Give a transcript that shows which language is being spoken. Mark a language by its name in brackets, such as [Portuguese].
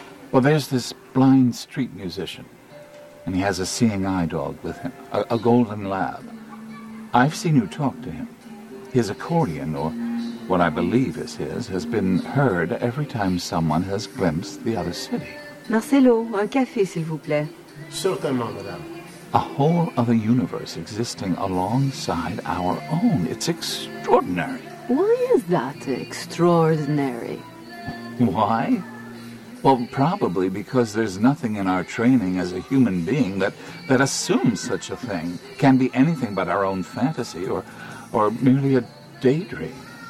[English] Well, there's this blind street musician, and he has a seeing eye dog with him, a golden lab. I've seen you talk to him. His accordion, or what I believe is his, has been heard every time someone has glimpsed the other city. [French] Marcelo, un café, s'il vous plaît. Certainement, madame. [English] A whole other universe existing alongside our own. It's extraordinary. Why is that extraordinary? Why? Well, probably because there's nothing in our training as a human being that assumes such a thing can be anything but our own fantasy or merely a daydream.